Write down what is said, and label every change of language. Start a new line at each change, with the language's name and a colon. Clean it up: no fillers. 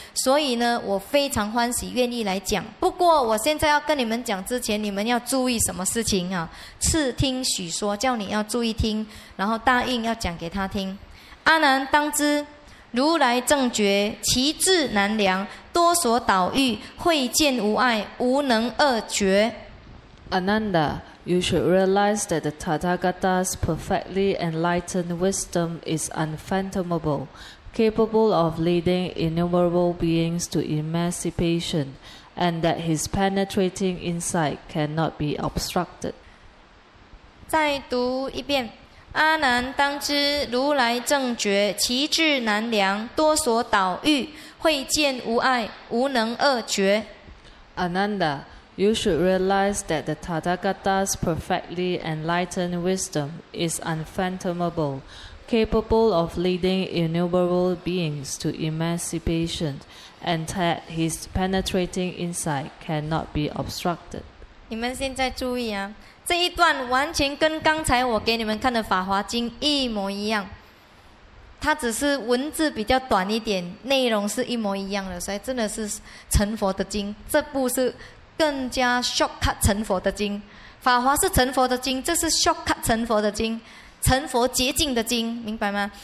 Chinese: 所以呢我非常欢喜，愿意来讲。不过我现在要跟你们讲之前，你们要注意什么事情啊，次听许说，叫你要注意听，然后答应要讲给他听。阿难当知如来正觉其智难量，多所导欲慧见无碍，无能二觉。
English: Ananda, you should realize that the Tathagata's perfectly enlightened wisdom is unfathomable, capable of leading innumerable beings to emancipation, and that his penetrating insight cannot be obstructed.
Chinese: 再读一遍。阿难当知如来正觉其智难量，多所导欲慧见无碍，无能二觉。
English: Ananda, you should realize that the Tathagata's perfectly enlightened wisdom is unfathomable, capable of leading innumerable beings to emancipation, and that his penetrating insight cannot be obstructed.
Chinese: 你们现在注意啊，这一段完全跟刚才我给你们看的《法华经》一模一样，它只是文字比较短一点，内容是一模一样的，所以真的是成佛的经。这部是更加 shortcut 成佛的经，《法华》是成佛的经，这是 shortcut 成佛的经，成佛捷径的经，明白吗？